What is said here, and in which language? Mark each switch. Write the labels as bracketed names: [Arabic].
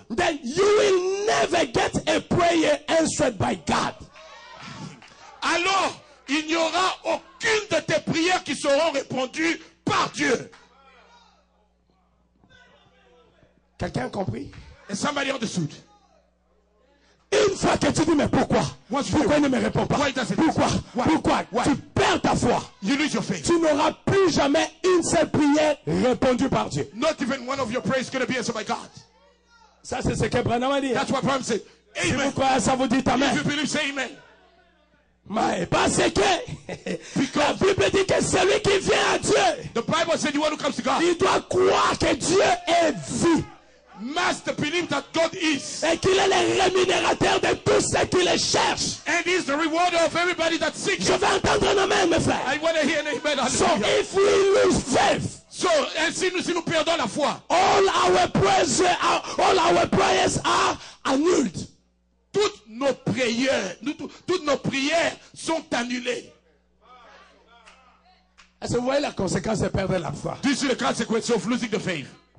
[English] then you will never get a prayer answered by God. [French] Alors, il n'y aura aucune de tes prières qui seront répondues par Dieu. Quelqu'un a compris? [English] Et somebody understood? [French] Une fois que tu dis mais pourquoi? Pourquoi il ne me répond pas? Pourquoi? Tu perds ta foi. [English] You lose your faith. [French] Tu n'auras plus jamais une seule prière répondue par Dieu. [English] Not even one of your prayers is going to be answered by God. [French] Ça c'est ce que Branham a dit. [English] That's what Branham said. Amen. [French] Si vous croyez, ça vous dit amen. [English] If you believe, say amen. [French] Mais parce que [English] because [French] la Bible dit que celui qui vient à Dieu, [English] the Bible said the one who comes to God, [French] il doit croire que Dieu est vie. [English] Must believe that God is. [French] Et qu'il est le rémunérateur de tous ceux qui le cherchent. [English] And is the rewarder of everybody that seeks. [French] Je vais entendre un amen, mes frères. [English] I want to hear an amen. So if we lose faith, [French] so si nous perdons la foi, [English] all our prayers are annulled. [French] Toutes nos prières sont annulées. Est-ce que vous voyez la conséquence de perdre la foi? [English] This is the consequence of losing the faith.